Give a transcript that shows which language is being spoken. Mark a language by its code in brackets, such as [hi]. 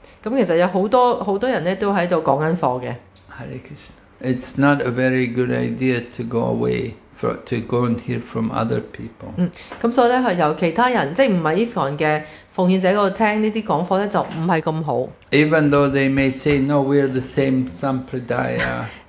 [zh] 其实有很多人都在讲课。 [en] Hare Krishna. It's not a very good idea to go away, to go and hear from other people. [zh] 所以由其他人, 即不是ISKCON的奉献者听这些讲课就不是那么好。 [en] Even though they may say, no, we're the same Sampradaya.